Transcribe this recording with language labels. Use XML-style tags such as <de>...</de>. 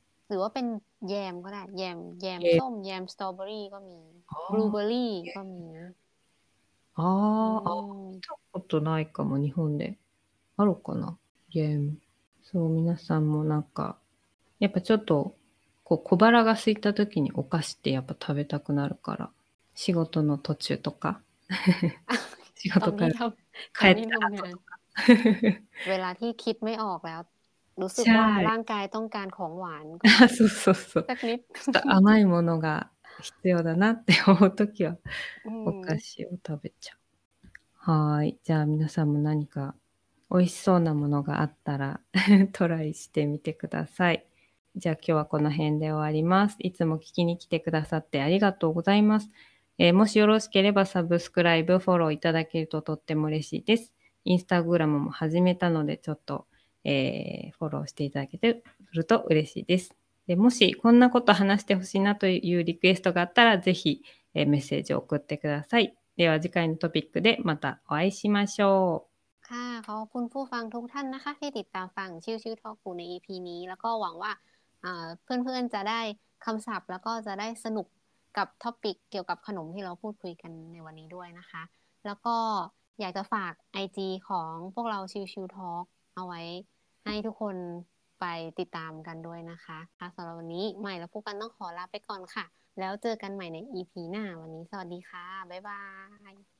<th>หรือว่าเป็นแยมก็ได้แยมส้มแยมสตรอเบอรี่ก็มีบลูเบอรี่ก็มี</th> <ja>นะちょっとないかも日本であるかなแยมそう皆さんもなんかやっぱちょっとこう小腹が空いた時にお菓子ってやっぱ食べたくなるから仕事の途中とか仕事から帰った後とか</ja> <th>เวลาที่คิดไม่ออกแล้วรู้สึกว่าร่างกายต้องการของหวาน สักนิดจะ</th> <ja>甘いものが必要だなって思うときはお菓子を食べちゃう。はい、じゃあ皆さんも何か美味しそうなものがあったらトライしてみてください。じゃあ今日はこの辺で終わります。いつも聞きに来てくださってありがとうございます。もしよろしければサブスクライブフォローいただけるととっても嬉しいです。インスタグラムも始めたのでちょっとフォローしていただけてすると嬉しいです。で、もしこんなこと話してほしいなというリクエストがあったら、ぜひ、メッセージを送ってください。では次回のトピックでまたお会いしましょう。</ja> <th>ค่ะ、ขอบคุณผู้ฟังทุกท่านนะคะที่ติดตามฟังชิวชิวทอล์คคุณใน EP นี้แล้วก็หวังว่าเพื่อนๆจะได้คำศัพท์แล้วก็จะได้สนุกกับท็อปิกเกี่ยวกับขนมที่เราพูดคุยกันในวันนี้ด้วยนะคะแล้วก็อยากจะฝาก IG ของพวกเราชิวชิวทอล์คเอาไว้ให้ทุกคนไปติดตามกันด้วยนะคะค่ะสำหรับวันนี้ใหม่แล้วพวกกันต้องขอลาไปก่อนค่ะแล้วเจอกันใหม่ใน EP หน้าวันนี้สวัสดีค่ะบ๊ายบาย</th>